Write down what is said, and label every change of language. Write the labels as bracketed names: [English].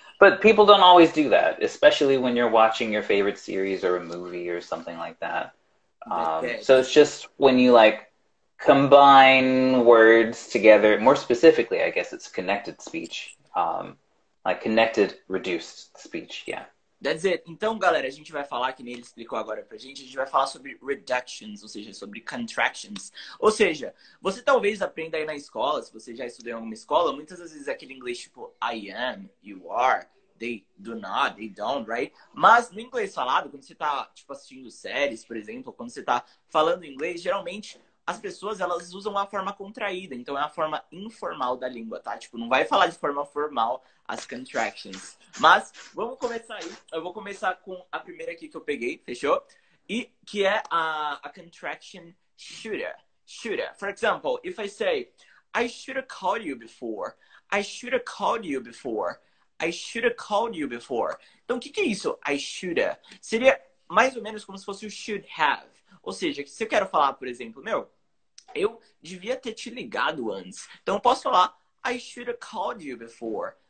[English] But people don't always do that, especially when you're watching your favorite series or a movie or something like that. Okay. So it's just when you like combine words together, more specifically, I guess it's connected speech, like connected reduced speech, yeah. That's it. [Portuguese] Então, galera, a gente vai falar, que nem ele explicou agora pra gente, a gente vai falar sobre reductions, ou seja, sobre contractions. Ou seja, você talvez aprenda aí na escola, se você já estudou em alguma escola, muitas vezes aquele inglês tipo [English] I am, you are, they do not, they don't, right? [Portuguese] Mas no inglês falado, quando você tá tipo assistindo séries, por exemplo, quando você tá falando inglês, geralmente as pessoas, elas usam a forma contraída. Então, é a forma informal da língua, tá? Tipo, não vai falar de forma formal as contractions. Mas, vamos começar aí. Eu vou começar com a primeira aqui que eu peguei, fechou? E que é a contraction shoulda. [English] For example, if I say, I shoulda called you before. I shoulda called you before. I shoulda called you before. [Portuguese] Então, o que é isso? [English] I shoulda. [Portuguese] Seria mais ou menos como se fosse o [English] should have. [Portuguese] Ou seja, se eu quero falar, por exemplo, meu, eu devia ter te ligado antes. Então, eu posso falar, [English] I should have called you before.